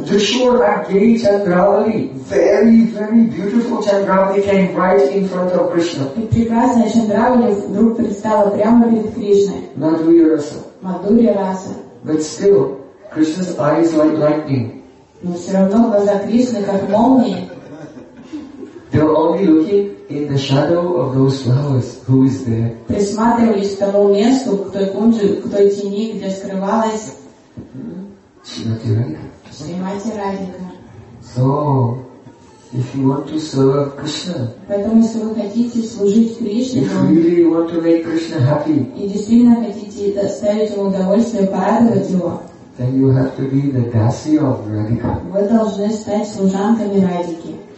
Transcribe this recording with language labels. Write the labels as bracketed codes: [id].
[en] Дришур Агри Чандравали, very, very beautiful Чандравали came right in front of Krishna. [ru] И прекрасная Чандравали вдруг предстала прямо перед Кришной. [sa] Мадурья раса. [ru] Мадурья раса. [en] But still, Krishna's eyes like lightning. [ru] Но все равно глаза Кришны как молнии. [en] They were only looking in the shadow of those flowers. Who is there? [ru] Присматривались к тому месту, к той кунже, к той тени, где скрывалась. Шримати Радика. Шримати Радика. [en] So, if you want to serve Krishna, [ru] поэтому если вы хотите служить Кришне, [en] if you really want to make Krishna happy, [ru] и действительно хотите доставить ему удовольствие, порадовать его, [en] then you have to be the dasi of Radhika. [ru] Вы должны стать служанками Радики.